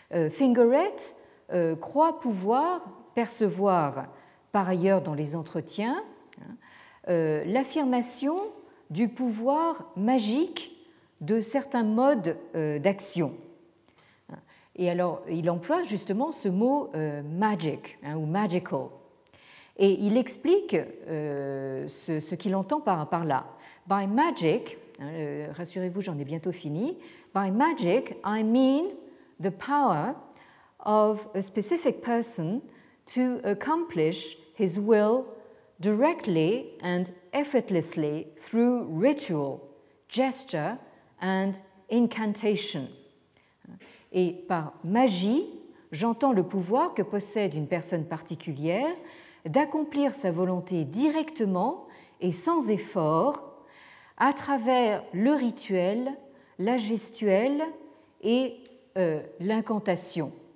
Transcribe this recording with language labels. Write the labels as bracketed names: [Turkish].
[French] Fingeret croit pouvoir percevoir par ailleurs dans les entretiens l'affirmation du pouvoir magique de certains modes d'action. Et alors il emploie justement ce mot magic, hein, ou magical, et il explique ce qu'il entend par là. [English] By magic, [French] hein, rassurez-vous, j'en ai bientôt fini. [English] By magic I mean the power of a specific person to accomplish his will directly and effortlessly through ritual, gesture and incantation. [French] Et par magie, j'entends le pouvoir que possède une personne particulière d'accomplir sa volonté directement et sans effort à travers le rituel, la gestuelle et l'incantation.